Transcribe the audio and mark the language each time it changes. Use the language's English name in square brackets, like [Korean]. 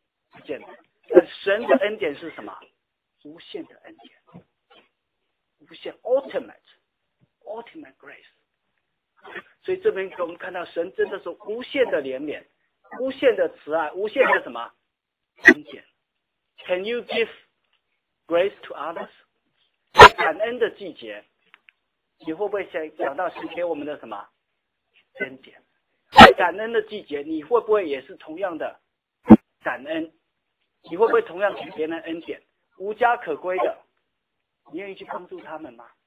[Chinese] 不见得。但神的恩典是什么？无限的恩典，无限 [English] ultimate grace。 [Chinese] 所以这边给我们看到神真的是无限的怜悯，无限的慈爱，无限的什么恩典。 [English] Can you give grace to others? [Chinese] 感恩的季节，你会不会想到神给我们的什么恩典？在感恩的季节，你会不会也是同样的感恩？你会不会同样给别人恩典？无家可归的，你愿意去帮助他们吗？